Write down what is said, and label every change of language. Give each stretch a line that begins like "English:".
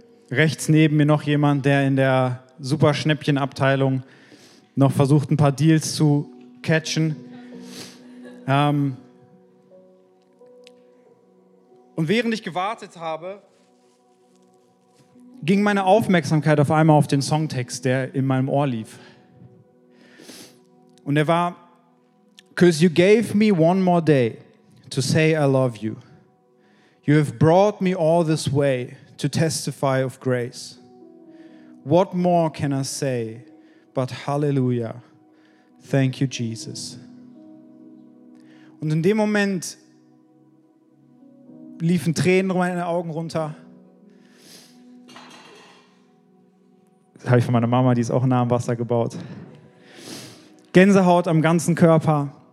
German: Rechts neben mir noch jemand, der in der Super-Schnäppchen-Abteilung noch versucht, ein paar Deals zu catchen. Und während ich gewartet habe, ging meine Aufmerksamkeit auf einmal auf den Songtext, der in meinem Ohr lief. Und er war:
English: 'Cause you gave me one more day to say I love you. You have brought me all this way to testify of grace. What more can I say but hallelujah. Thank you, Jesus.'
German: Und in dem Moment liefen Tränen in meine Augen runter. Das habe ich von meiner Mama, die ist auch nah am Wasser gebaut. Gänsehaut am ganzen Körper.